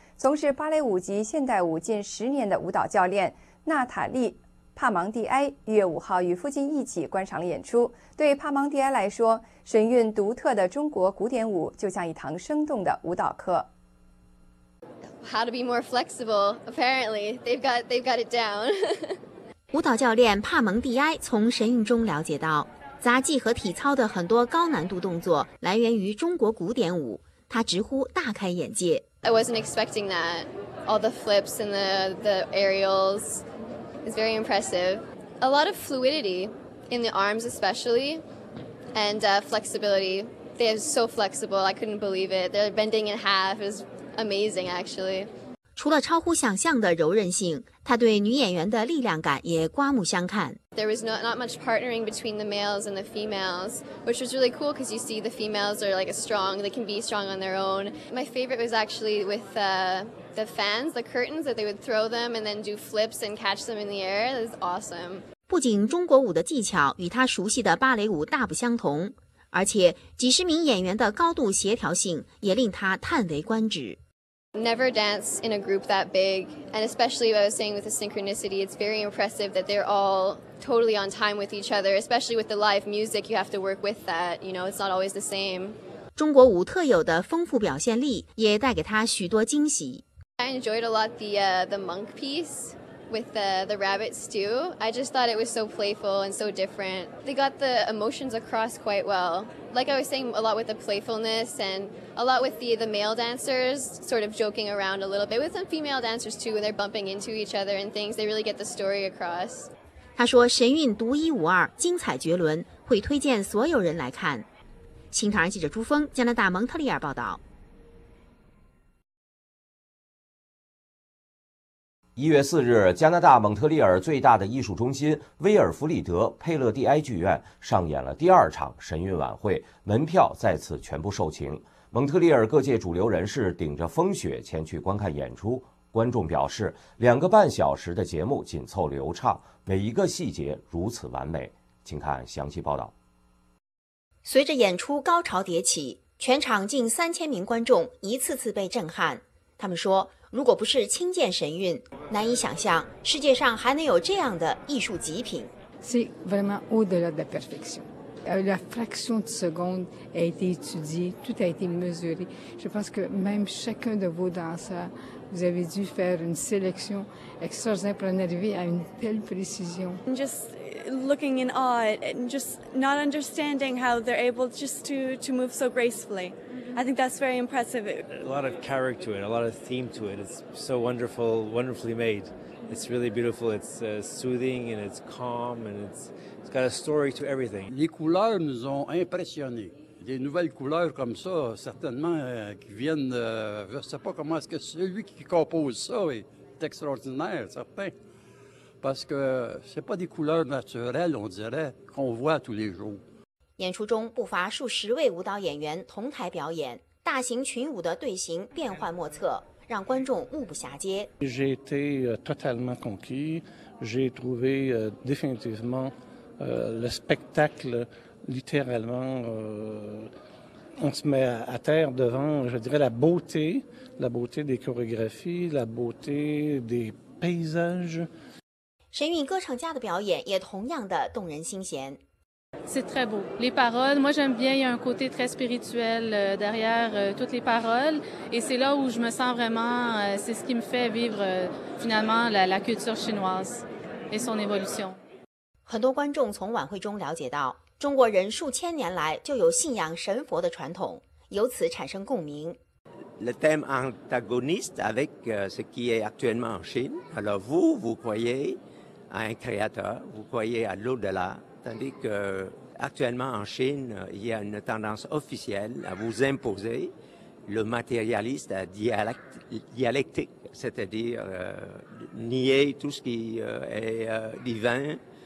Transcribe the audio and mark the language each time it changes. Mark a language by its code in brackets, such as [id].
[zh] 从事芭蕾舞及现代舞近十年的舞蹈教练娜塔莉·帕芒蒂埃1月5日与父亲一起观赏了演出。对帕芒蒂埃来说，神韵独特的中国古典舞就像一堂生动的舞蹈课。 [en] How to be more flexible? Apparently, they've got it down. [zh] 舞蹈教练帕蒙蒂埃从神韵中了解到，杂技和体操的很多高难度动作来源于中国古典舞，他直呼大开眼界。 [en] I wasn't expecting that. All the flips and the aerials is very impressive. A lot of fluidity in the arms, especially. And flexibility. They are so flexible. I couldn't believe it. They're bending in half. It's amazing, actually. [zh] 除了超乎想象的柔韧性，他对女演员的力量感也刮目相看。 [en] There was not much partnering between the males and the females, which was really cool because you see the females are like strong, they can be strong on their own. My favorite was actually with the fans, the curtains that they would throw them and then do flips and catch them in the air. It was awesome. [zh] 不仅中国舞的技巧与他熟悉的芭蕾舞大不相同，而且几十名演员的高度协调性也令他叹为观止。 [en] Never dance in a group that big, and especially what I was saying with the synchronicity, it's very impressive that they're all totally on time with each other, especially with the live music, you have to work with that, you know, it's not always the same. [zh] 中国舞特有的丰富表现力也带给他许多惊喜。 [en] I enjoyed a lot the monk piece. With the rabbit stew, I just thought it was so playful and so different. They got the emotions across quite well. Like I was saying, a lot with the playfulness and a lot with the male dancers sort of joking around a little bit. With some female dancers too, when they're bumping into each other and things, they really get the story across. [zh] 他说神韵独一无二，精彩绝伦，会推荐所有人来看。新唐人记者朱峰，加拿大蒙特利尔报道。 1月4日，加拿大蒙特利尔最大的艺术中心威尔弗里德·佩勒蒂埃剧院上演了第二场神韵晚会，门票再次全部售罄。蒙特利尔各界主流人士顶着风雪前去观看演出，观众表示，两个半小时的节目紧凑流畅，每一个细节如此完美。请看详细报道。随着演出高潮迭起，全场近3000名观众一次次被震撼。他们说，如果不是亲见神韵，难以想象世界上还能有这样的艺术极品。 [fr] Sì, vraiment au-delà de la perfection. La fraction de seconde a été étudiée, tout a été mesuré. Je pense que même chacun de vos danseurs, vous avez dû faire une sélection extraordinaire pour en arriver à une telle précision. [en] Just looking in awe and just not understanding how they're able just to move so gracefully. I think that's very impressive. A lot of character to it, a lot of theme to it. It's so wonderful, wonderfully made. It's really beautiful. It's soothing and it's calm and it's got a story to everything. [fr] Les couleurs nous ont impressionnés. Des nouvelles couleurs comme ça, certainement, qui viennent. Je ne sais pas comment est-ce que celui qui compose ça est extraordinaire, certain. Parce que ce n'est pas des couleurs naturelles, on dirait, qu'on voit tous les jours. [zh] 演出中不乏数十位舞蹈演员同台表演，大型群舞的队形变幻莫测，让观众目不暇接。 [fr] J'ai été totalement conquis. J'ai trouvé définitivement le spectacle littéralement. On se met à terre devant, je dirais, la beauté des chorégraphies, la beauté des paysages. [zh] 神韵歌唱家的表演也同样的动人心弦。 [fr] C'est très beau. Les paroles, moi j'aime bien, il y a un côté très spirituel derrière toutes les paroles. Et c'est là où je me sens vraiment, c'est ce qui me fait vivre finalement la culture chinoise et son évolution. [zh] 很多观众从晚会中了解到，中国人数千年来就有信仰神佛的传统，由此产生共鸣。 [fr] Le thème antagoniste avec ce qui est actuellement en Chine. Alors vous croyez à un créateur, vous croyez à l'au-delà. Tandis qu'actuellement en Chine, il y a une tendance officielle à vous imposer le matérialiste dialectique, c'est-à-dire nier tout ce qui est divin.